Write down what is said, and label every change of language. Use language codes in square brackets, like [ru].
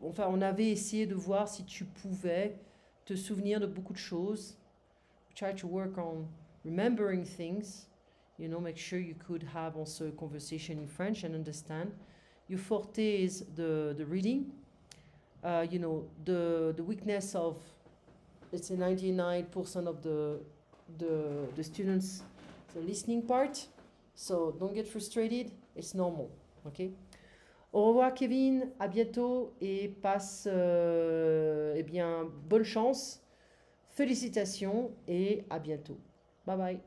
[fr] Enfin, on avait essayé de voir si tu pouvais te souvenir de beaucoup de choses. [en] Try to work on remembering things. You know, make sure you could have also a conversation in French and understand. Your forte is the reading. You know, the weakness of, it's a 99% of the students, the listening part. So don't get frustrated, it's normal, okay? [fr] Au revoir Kevin, à bientôt et passe, eh bien, bonne chance, félicitations et à bientôt. [en] Bye bye.